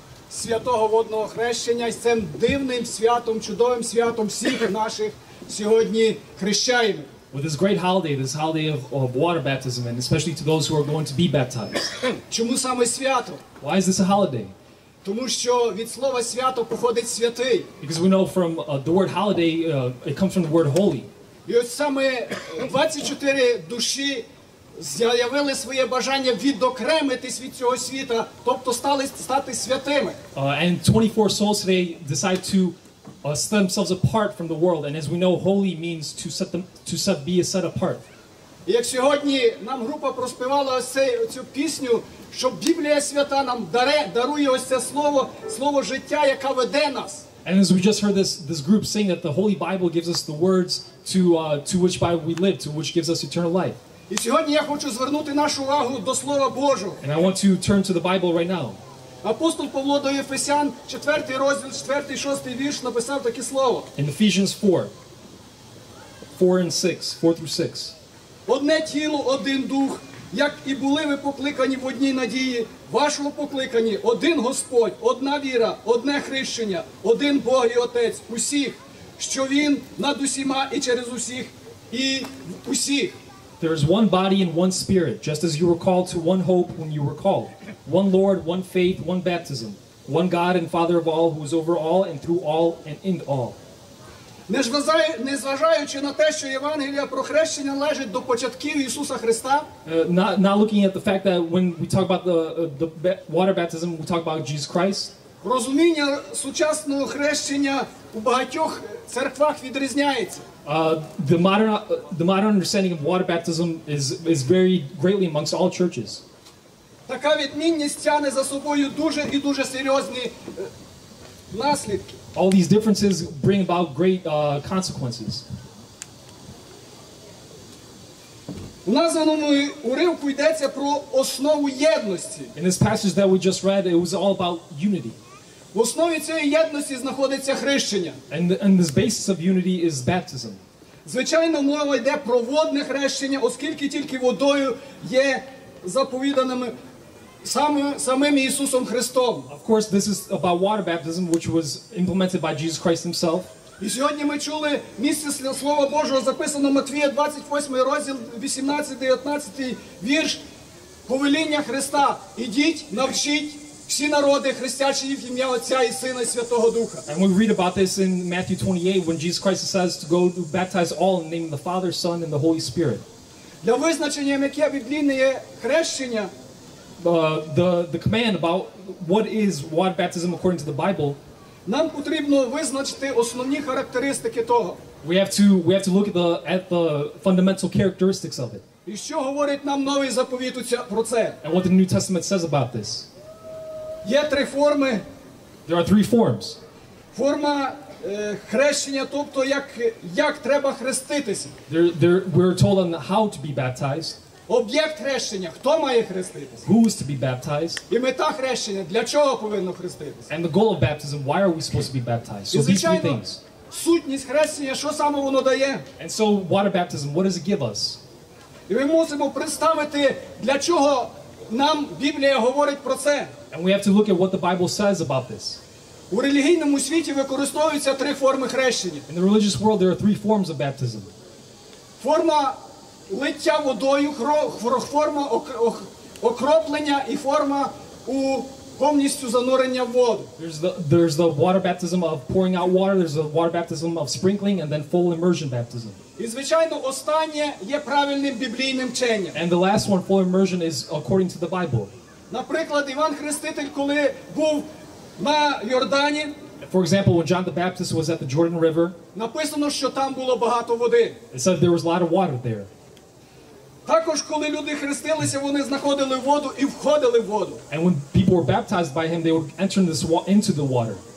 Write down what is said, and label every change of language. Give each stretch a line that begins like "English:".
Ukrainian: святого водного хрещення, і з цим дивним святом, чудовим святом всіх наших сьогодні хрещаємо.
English: With this great holiday, this holiday of water baptism, and especially to those who are going to be baptized.
Ukrainian: Чому саме свято?
English: Why is this a holiday?
Ukrainian: Тому що від слова свято походить святий.
English: Because we know from the word holiday, it comes from the word holy.
Ukrainian: І ось саме 24 душі з'явили своє бажання відокремитись від цього світа, тобто стали стати святими.
English: And 24 souls today decide to set themselves apart from the world, and as we know, holy means to set them to set be a set apart.
Ukrainian: Як сьогодні нам група проспівала цю пісню, що Біблія свята нам дарує ось це слово життя, яка веде нас.
English: And as we just heard this group sing that the Holy Bible gives us the words to which by we live, to which gives us eternal life.
Ukrainian: І сьогодні я хочу звернути нашу увагу до Слова Божого.
English: And I want to turn to the Bible right now.
Ukrainian: Апостол Павло до Ефесян, 4 розділ, 4-й, 6-й вірш, написав таке слово.
English: In Ephesians 4 through 6.
Ukrainian: Одне тіло, один дух, як і були ви покликані в одній надії, вашого покликані один Господь, одна віра, одне хрещення, один Бог і Отець, усіх, що Він над усіма і через усіх, і усіх.
English: There is one body and one spirit, just as you were called to one hope when you were called. One Lord, one faith, one baptism. One God and Father of all, who is over all and through all and in all.
Ukrainian: Незважаючи на те, що Євангелія про хрещення належить до початків Ісуса Христа.
English: Not looking at the fact that when we talk about the water baptism, we talk about Jesus Christ.
Ukrainian: Розуміння сучасного хрещення у багатьох церквах відрізняється.
English: The modern understanding of water baptism is varied greatly amongst all churches.
Ukrainian: Така відмінність тягне за собою дуже і дуже серйозні наслідки.
English: All these differences bring about great consequences.
Ukrainian: У названому уривку йдеться про основу єдності.
English: In this passage that we just read, it was all about unity.
Ukrainian: В основі цієї єдності знаходиться хрещення.
English: And this basis of unity is baptism.
Ukrainian: Звичайно, мова йде про водне хрещення, оскільки тільки водою є заповіданими самим Ісусом Христом.
English: Of course, this is about water baptism, which was implemented by Jesus Christ himself.
Ukrainian: І сьогодні ми чули місце Слова Божого, записано Матвія 28 розділ, 18-19 вірш, повеління Христа. Ідіть, навчіть всі народи, хрестячи їх в ім'я Отця і Сина і Святого Духа.
English: And we read about this in Matthew 28, when Jesus Christ says to go to baptize all in the name of the Father, Son, and the Holy Spirit.
Ukrainian: Для визначення, яке біблійне є хрещення,
English: The command about what is water baptism according to the Bible,
Ukrainian: нам потрібно визначити основні характеристики того.
English: We have to look at the fundamental characteristics of it.
Ukrainian: І що говорить нам новий заповіт про це?
English: And what the New Testament says about this.
Ukrainian: Є три форми.
English: There are three forms.
Ukrainian: Форма хрещення, тобто як треба хреститися.
English: There we're told on how to be baptized.
Ukrainian: Об'єкт хрещення, хто має хреститися?
English: Who is to be baptized?
Ukrainian: І мета хрещення, для чого повинно хреститися?
English: And the goal of baptism, why are we supposed to be baptized? So
Ukrainian: звичайно,
English: these three things.
Ukrainian: Сутність хрещення, що саме воно дає?
English: And so water baptism, what does it give us?
Ukrainian: І ми мусимо представити, для чого нам Біблія говорить про це.
English: And we have to look at what the Bible says about this.
Ukrainian: У релігійному світі використовуються три форми хрещення.
English: In the religious world there are three forms of baptism.
Ukrainian: Форма лиття водою, форма окроплення і форма у повністю занурення в воду.
English: There's the water baptism of pouring out water, there's the water baptism of sprinkling, and then full immersion baptism.
Ukrainian: І звичайно, останнє є правильним біблійним вченням.
English: And the last one, full immersion, is according to the Bible.
Ukrainian: Наприклад, Іван Хреститель, коли був на Йордані,
English: for example, when John the Baptist was at the Jordan River,
Ukrainian: написано, що там було багато води.
English: It said there was a lot of water there.
Ukrainian: Також, коли люди хрестилися, вони знаходили воду і входили в воду.
English: And when people were baptized by him, they would enter into the water.